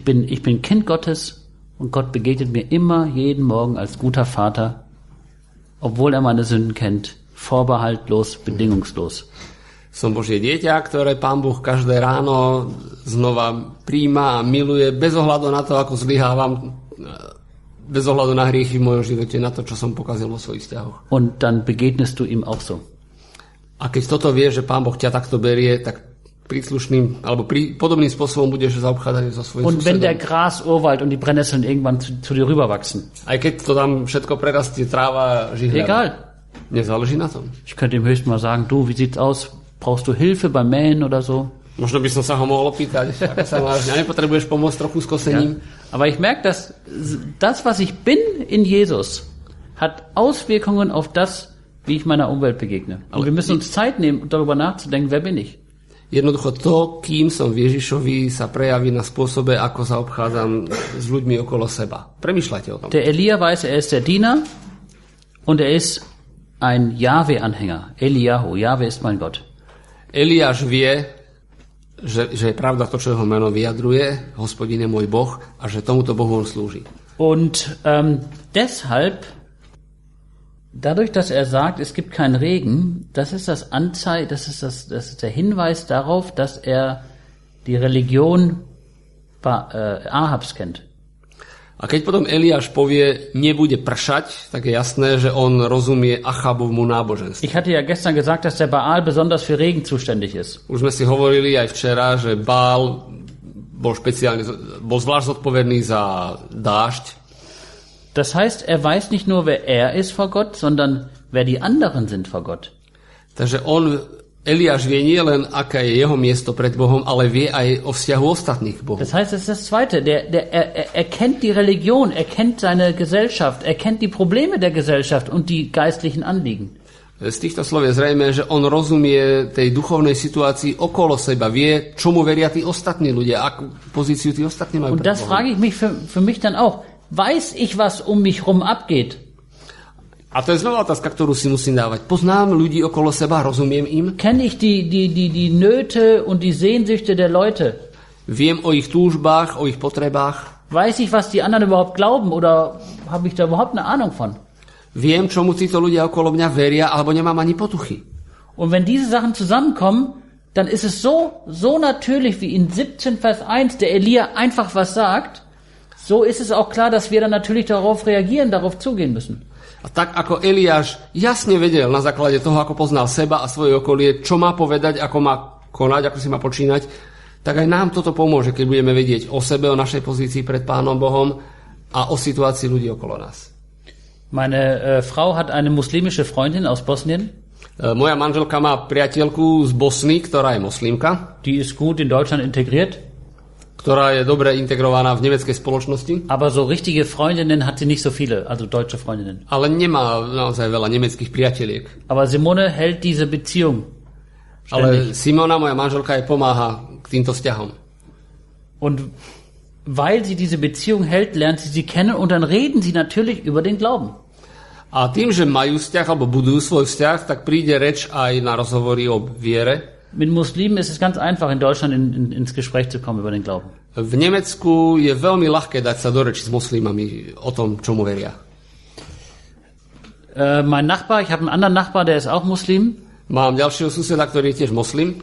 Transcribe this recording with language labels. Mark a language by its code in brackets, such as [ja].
[de] Ich bin Kind Gottes und Gott begegnet mir immer jeden Morgen als guter Vater, obwohl er meine Sünden kennt, vorbehaltlos, bedingungslos. [sk] Som Božie dieťa, ktoré Pán Boh každé ráno znova prijíma a miluje bez ohľadu na to, ako zlyhávam, bez ohľadu na hriechy v mojom živote, na to, čo som pokazil vo svojich vzťahoch. [de] Und dann begegnest du ihm auch so. [sk] A keď toto vieš, že Pán Boh ťa takto berie, tak príslušným alebo podobným spôsobom budeš zaobchádzať so svojím susedom. [de] Und wenn der Gras urwald und die Brennnesseln irgendwann zu dir rüberwachsen. [sk] Aj keď to tam všetko prerastie, tráva, žihľa. [de] Egal. [sk] Nezáleží na tom. [de] Ich könnte ihm höchstens mal sagen, du, wie sieht's aus? Brauchst du Hilfe beim Mähen oder so? [sk] Možno by som sa ho mohol opýtať, ako sa máš, nepotrebuješ pomôcť trochu s kosením. [de] Ja. Aber ich merke, dass das, was ich bin in Jesus, hat Auswirkungen auf das, wie ich meiner Umwelt begegne. Und wir müssen uns Zeit nehmen, darüber nachzudenken, wer bin ich? [sk] Jednoducho to, kým som v Ježišovi, sa prejaví na spôsobe, ako sa obchádzam s ľuďmi okolo seba. Premýšľajte o tom. [de] Der Elia weiß, er ist der Diener und er ist ein Jahwe-Anhänger. Eliahu, Jahwe ist mein Gott. [sk] Eliáš vie, že je pravda to, čo jeho meno vyjadruje, Hospodin je môj Boh a že tomuto Bohu on slúži. [de] Und deshalb, dadurch, dass er sagt, es gibt keinen Regen, das ist der Hinweis darauf, dass er die Religion Ahabs kennt. [sk] A keď potom Eliáš povie, nebude pršať, tak je jasné, že on rozumie Achabovmu náboženstvu. [de] Ich hatte ja gestern gesagt, dass der Baal besonders für Regen zuständig ist. [sk] Už sme si hovorili aj včera, že Baal bol zvlášť zodpovedný za dážď. [de] Das heißt, er weiß nicht nur, wer er ist vor Gott, sondern wer die anderen sind vor Gott. [sk] Takže on, Eliáš vie nie len, aké je jeho miesto pred Bohom, ale vie aj o vzťahu ostatných k Bohu. [de] Das heißt, es ist das Zweite. Er kennt die Religion, er kennt seine Gesellschaft, er kennt die Probleme der Gesellschaft und die geistlichen Anliegen. [sk] Z týchto slov je zrejme, že on rozumie tej duchovnej situácii okolo seba, vie, čomu veria tí ostatní ľudia, akú pozíciu tí ostatní majú pred Bohom. [de] Und das frage ich mich für mich dann auch. Weiß ich, was um mich rum abgeht? [sk] A to je znova otázka, ktorú si musím dávať. Poznám ľudí okolo seba, rozumiem im? [de] Kenn ich die Nöte und die Sehnsüchte der Leute? [sk] Viem o ich túžbách, o ich potrebách? [de] Weiß ich, was die anderen überhaupt glauben oder habe ich da überhaupt eine Ahnung von? [sk] Viem, čomu títo ľudia okolo mňa veria, alebo nemám ani potuchy. [de] Und wenn diese Sachen zusammenkommen, dann ist es so natürlich, wie in 17 Vers 1 der Elia einfach was sagt, so ist es auch klar, dass wir dann natürlich darauf reagieren, darauf zugehen müssen. [sk] A tak ako Eliáš jasne vedel na základe toho, ako poznal seba a svoje okolie, čo má povedať, ako má konať, ako si má počínať, tak aj nám toto pomôže, keď budeme vedieť o sebe, o našej pozícii pred Pánom Bohom a o situácii ľudí okolo nás. [de] Meine Frau hat eine muslimische Freundin aus Bosnien. [sk] Moja manželka má priateľku z Bosny, ktorá je moslimka. [de] Die ist gut in Deutschland integriert. [sk] Ktorá je dobre integrovaná v nemeckej spoločnosti. [de] Aber so richtige Freundinnen hat sie nicht so viele, also deutsche Freundinnen. [sk] Ale nemá naozaj veľa nemeckých priateliek. [de] Aber Simone hält diese Beziehung. [sk] Ale Simona, moja manželka, jej pomáha k týmto vzťahom. [de] Und weil sie diese Beziehung hält, lernt sie sie kennen und dann reden sie natürlich über den Glauben. [sk] A tým, že majú vzťah alebo budujú svoj vzťah, tak príde reč aj na rozhovory o viere. [de] Mit Muslimen ist es ganz einfach in Deutschland ins Gespräch zu kommen über den Glauben. [sk] V Nemecku je veľmi ľahké dať sa do reči s moslimami o tom, čomu veria. [de] Mein Nachbar, ich habe einen anderen Nachbar, der ist auch Muslim. [sk] Mám ďalšieho suseda, ktorý je tiež Muslim.